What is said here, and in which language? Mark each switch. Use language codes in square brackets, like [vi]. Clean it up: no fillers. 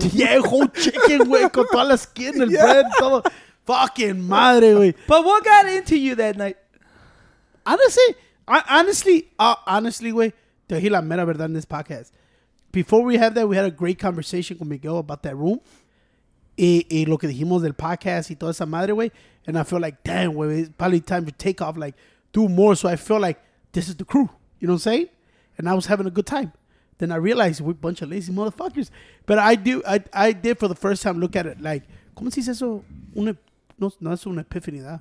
[es] güey. [en] Yeah, whole chicken, [es] güey. Con toda la skin, el bread, todo. Fucking madre, güey. [en] But what got into you that night? [es] Honestly, güey, te dije la mera verdad en [en] this podcast. Before we have that, we had a great conversation with Miguel about that room. [es] Y lo que dijimos del podcast y toda esa madre, güey. [en] And I feel like, damn, güey, it's probably time to take off, like, do more. So I feel like this is the crew. You know what I'm saying? And I was having a good time. Then I realized we're a bunch of lazy motherfuckers. But I did for the first time look at it like, [es] ¿cómo se dice eso? No es una epifanía.